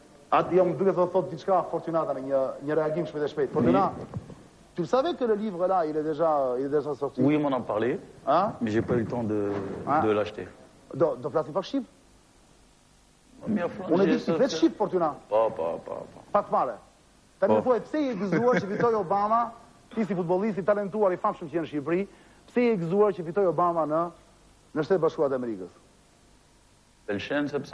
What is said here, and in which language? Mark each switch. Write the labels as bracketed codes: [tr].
[sq] Atë jam duke të thotë diçka Fortunata me një reagim shumë të shpejtë. [fr] Fortuna, tu savais que le livre là, il est déjà sorti? Oui, m'en a parlé. Hein? Mais j'ai pas eu le temps de l'acheter. [sq] Do flasim për Shqip? Unë e di si vetë Shqip, Fortuna. Po. Pak fare. Ta më thuaj, pse je gëzuar që fitoi Obama, ti si futbollist i talentuar i famshëm që je në Shqipëri, pse je gëzuar që fitoi Obama në Shtetet Bashkuara të Amerikës? Pëlqen sepse